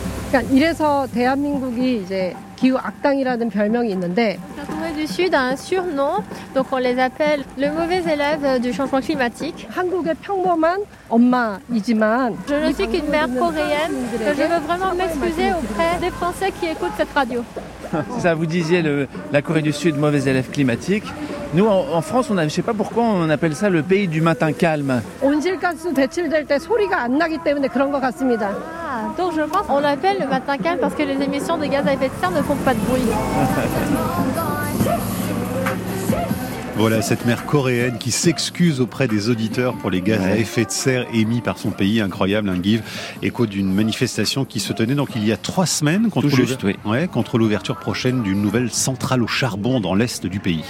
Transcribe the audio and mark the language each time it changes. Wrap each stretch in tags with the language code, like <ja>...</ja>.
<ko>그러니까 이래서 대한민국이 이제 기후 악당이라는 별명이 있는데</ko> <fr>La Corée du Sud a un surnom, donc on les appelle le mauvais élève du changement climatique.</fr> <ko>한국의 평범한 엄마이지만</ko> <fr>Je ne suis qu'une mère coréenne, donc je veux vraiment m'excuser auprès des Français qui écoutent cette radio. C'est ça, vous disiez la Corée du Sud, mauvais élève climatique. Nous, en France, on a, je ne sais pas pourquoi, on appelle ça le pays du matin calme.</fr> <ko>온실가스 배출될 때 소리가 안 나기 때문에 그런 것 같습니다.</ko> <fr>Donc je pense qu'on l'appelle le matin calme parce que les émissions de gaz à effet de serre ne font pas de bruit. Voilà cette mère coréenne qui s'excuse auprès des auditeurs pour les gaz à effet de serre émis par son pays. Incroyable, hein, Guy. Écho d'une manifestation qui se tenait donc il y a 3 semaines contre l'ouverture prochaine d'une nouvelle centrale au charbon dans l'est du pays.</fr>